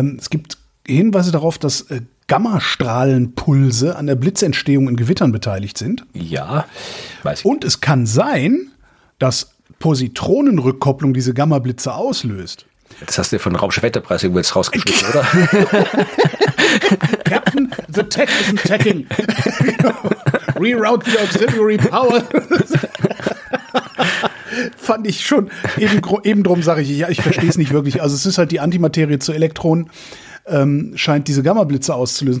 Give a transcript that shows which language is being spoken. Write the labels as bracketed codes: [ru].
[de] Es gibt Hinweise darauf, dass Gammastrahlenpulse an der Blitzentstehung in Gewittern beteiligt sind. Ja, weiß ich. Und es kann sein, dass Positronenrückkopplung diese Gammablitze auslöst. Das hast du ja von Raumschiff Enterprise irgendwann rausgeschickt, oder? [en] Captain, the tech isn't teching. Reroute the auxiliary power. [de] Fand ich schon, eben drum sage ich, ja, ich verstehe es nicht wirklich. Also es ist halt die Antimaterie zu Elektronen, scheint diese Gammablitze auszulösen.